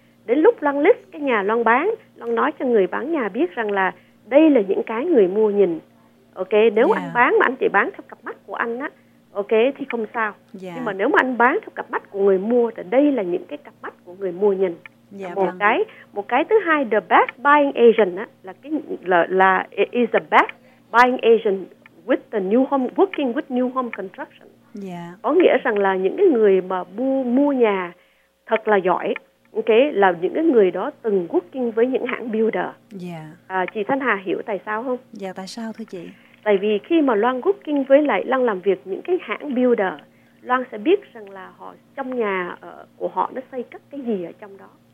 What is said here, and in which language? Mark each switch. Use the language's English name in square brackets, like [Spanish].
[Vietnamese] Đến lúc Loan list cái nhà Loan bán, Loan nói cho người bán nhà biết rằng là đây là những cái người mua nhìn. Ok, nếu anh bán mà anh chỉ bán theo cặp mắt của anh á, ok thì không sao. Nhưng mà nếu mà anh bán theo cặp mắt của người mua thì đây là những cái cặp mắt của người mua nhìn. Một cái thứ hai, [English] the best buying agent á, là is the best buying agent with the new home, working with new home construction. [Vietnamese] Có nghĩa rằng là những cái người mà mua nhà thật là giỏi, ok, là những cái người đó từng working với những hãng builder. Chị Thanh Hà hiểu tại sao không? Tại sao thưa chị? Tại vì khi mà Loan working với lại Loan làm việc những cái hãng builder, Loan sẽ biết rằng là họ trong nhà của họ nó xây cất cái gì ở trong đó.